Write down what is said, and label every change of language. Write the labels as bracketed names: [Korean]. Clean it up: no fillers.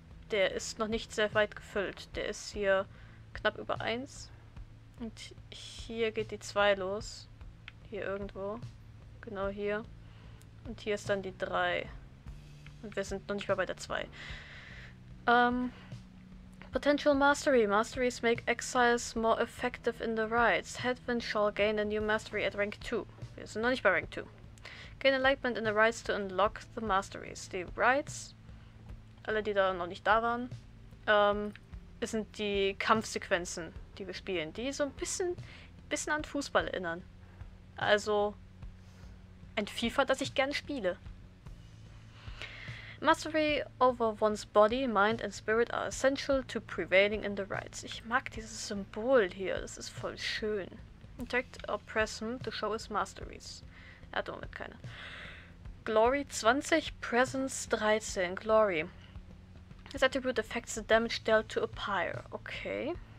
[German] Der ist noch nicht sehr weit gefüllt. Der ist hier knapp über 1. Und hier geht die 2 los. Hier irgendwo. Genau hier. Und hier ist dann die 3. Und wir sind noch nicht mal bei der 2. [English] Potential Mastery. Masteries make exiles more effective in the rites. Hedwin shall gain a new mastery at rank 2. [German] Wir sind noch nicht bei rank 2. [English] Gain enlightenment in the rites to unlock the masteries. [German] Die rites, alle die da noch nicht da waren, sind die Kampfsequenzen, die wir spielen, die so ein bisschen an Fußball erinnern. Also ein FIFA, das ich gerne spiele. [English] Mastery over one's body, mind and spirit are essential to prevailing in the rites. [German] Ich mag dieses Symbol hier, das ist voll schön. [English] Interact or press him to show his masteries. [German] Er hat im Moment keine. [English] Glory 20, Presence 13, Glory. This attribute affects the damage dealt to a pyre. Okay.